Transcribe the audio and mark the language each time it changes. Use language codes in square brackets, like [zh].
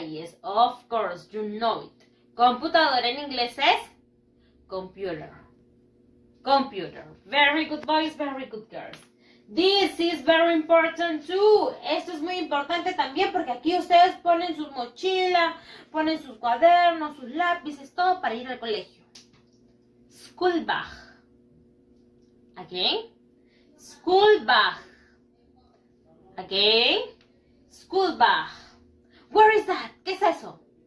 [en] Yes, of course, you know it. [es] Computadora en inglés es computer. [en] Computer. Very good, boys. Very good, girls. This is very important too. [es] Esto es muy importante también porque aquí ustedes ponen su mochila, ponen sus cuadernos, sus lápices, todo para ir al colegio. [en] School bag. Again. School bag. Again. School bag. Where is that? [es] ¿Qué es eso?